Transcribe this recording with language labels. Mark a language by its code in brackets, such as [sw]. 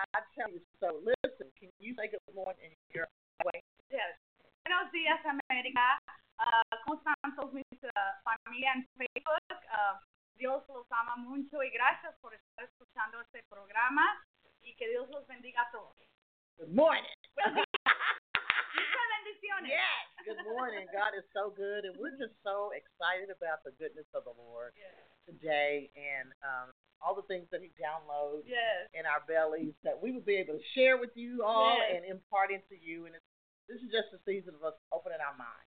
[en] I tell you, so listen, can you say good morning in your way? [es] Yes. Buenos dias, America. ¿Cómo están todos mis familia en Facebook? Dios los ama mucho y gracias por estar escuchando este programa y que Dios los bendiga a todos. [en] Good morning. [es] Bendiciones. [en] Yes. Good morning. God is so good, and we're just so excited about the goodness of the Lord yes. today, and all the things that He downloads yes. in our bellies that we will be able to share with you all yes. and impart into you. And this is just a season of us opening our minds